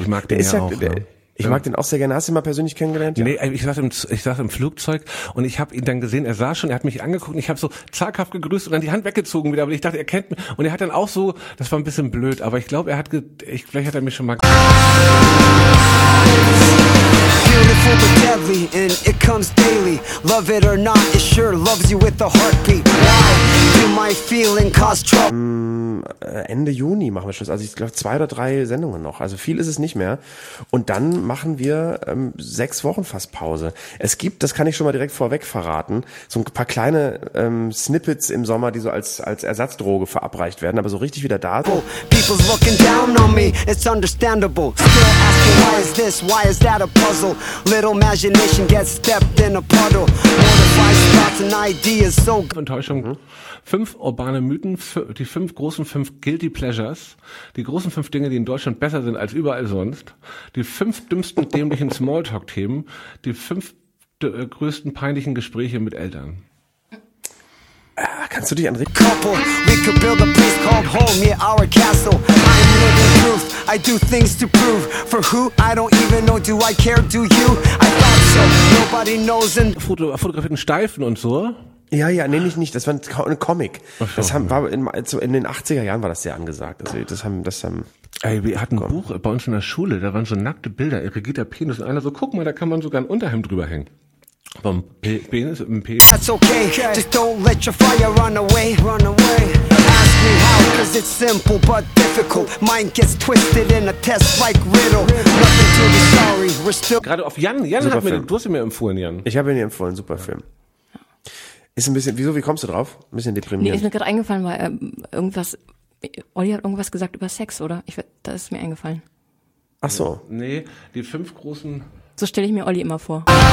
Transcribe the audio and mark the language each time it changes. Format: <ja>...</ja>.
<de>Ich mag den ja auch. Ich mag den auch sehr gerne. Hast du ihn mal persönlich kennengelernt? Ja. Nee, ich saß im Flugzeug und ich habe ihn dann gesehen. Er saß schon, er hat mich angeguckt und ich habe so zaghaft gegrüßt und dann die Hand weggezogen wieder. Aber ich dachte, er kennt mich. Und er hat dann auch so, das war ein bisschen blöd, aber ich glaube, vielleicht hat er mich schon mal.</de> <en>Beautiful but deadly, and it comes daily. Love it or not, it sure loves you with a heartbeat. Why do my feeling cause trouble?</en> <de>Ende Juni machen wir Schluss. Also ich glaube 2 oder 3 Sendungen noch. Also viel ist es nicht mehr. Und dann machen wir 6 Wochen fast Pause. Es gibt, das kann ich schon mal direkt vorweg verraten, so ein paar kleine Snippets im Sommer, die so als Ersatzdroge verabreicht werden, aber so richtig wieder da sind.</de> <en>People's looking down on me, it's understandable. Still asking why is this, why is that a puzzle? Little imagination gets stepped in a puddle. Mortifies thoughts and ideas so good. Enttäuschung.</en> <de>5 urbane Mythen, die 5 großen Guilty Pleasures, die großen 5 Dinge, die in Deutschland besser sind als überall sonst, die 5 dümmsten dämlichen Smalltalk-Themen, die 5 größten peinlichen Gespräche mit Eltern. Kannst du dich an</de> <en>Couple, we could build a place called home near our castle. I'm living proof, I do things to prove. For who, I don't even know, do I care, do you? I thought so, nobody knows.</en> <de>Fotografierten Steifen und so. Ja, ja, nee, nicht. Das war ein Comic. So, das haben, ja. In den 80er Jahren war das sehr angesagt. Also, wir hatten ein Buch bei uns in der Schule, da waren so nackte Bilder, erregierter Penis und einer so, guck mal, da kann man sogar ein Unterhemd drüber hängen. Vom Penis, im Penis.</de> <en>That's okay, just don't let your fire run away. Ask me how, cause it's simple but difficult. Mind gets twisted in a test like riddle. Nothing to be sorry, we're still.</en> <de>Gerade auf Jan hat mir, du hast ihn mir empfohlen, Jan. Ich habe ihn dir empfohlen, super Film. Ist ein bisschen, wie kommst du drauf? Ein bisschen deprimierend. Nee, ist mir gerade eingefallen, weil Olli hat irgendwas gesagt über Sex, oder? Das ist mir eingefallen. Ach so. Nee, die 5 großen. So stelle ich mir Olli immer vor.</de>